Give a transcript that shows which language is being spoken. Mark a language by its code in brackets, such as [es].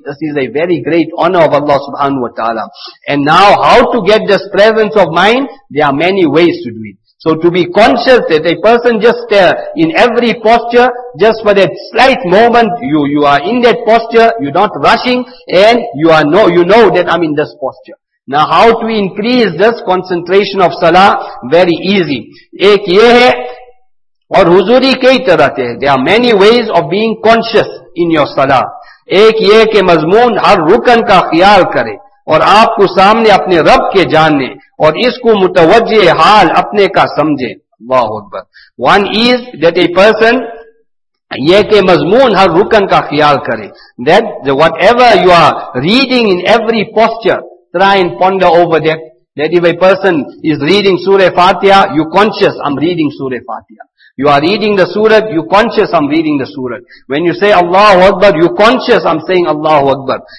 [en] This is a very great honor of Allah subhanahu wa ta'ala. And now how to get this presence of mind? There are many ways to do it. So to be conscious that a person just there in every posture, just for that slight moment you are in that posture, you're not rushing and you know that I'm in this posture. Now how to increase this concentration of salah? Very easy. [ur] Ek ye hai, اور حضوری کئی طرح کے ہیں. [en] There are many ways of being conscious in your salah. [ur] ایک یہ کہ مضمون ہر رکن کا خیال کرے اور آپ کو سامنے اپنے رب کے جاننے اور اس کو متوجہ حال اپنے کا سمجھے. اللہ اکبر. [en] One is that a person [ur] یہ کہ مضمون ہر رکن کا خیال کرے. [en] That whatever you are reading in every posture, try and ponder over that. That if a person is reading Surah Fatiha, you conscious, I'm reading Surah Fatiha. You are reading the surah, you conscious I'm reading the surah. When you say Allahu Akbar, you conscious I'm saying Allahu Akbar.